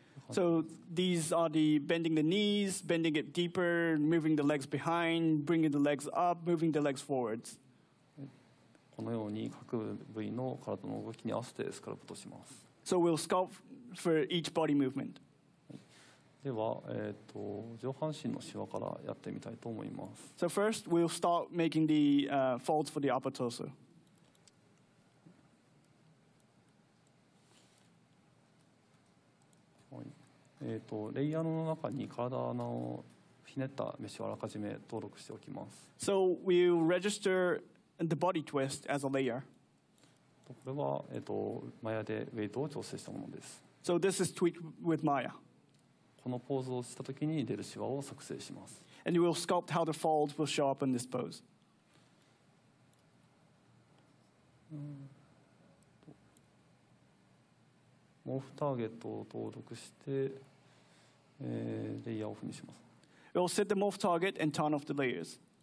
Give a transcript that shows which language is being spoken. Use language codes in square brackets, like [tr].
[en] So these are the bending the knees, bending it deeper, moving the legs behind, bringing the legs up, moving the legs forwards. [ja] このように各部位の体の動きに合わせてスカルプトします。 [en] So we'll sculpt for each body movement. [ja] では、上半身のシワからやってみたいと思います。 [en] So first, we'll start making the folds for the upper torso. [ja] レイヤーの中に体のひねったメッシュをあらかじめ登録しておきます。 [en] So we'll register the body twist as a layer. [ja] これは、マヤでウェイトを調整したものです。 [en] So this is tweak with Maya. [ja] このポーズをしたときに出るシワを作成します。 [en] And we'll sculpt how the folds will show up in this pose. [ja] モーフターゲットを登録して、レイヤーオフにします。 [en] We'll set the morph target and turn off the layers.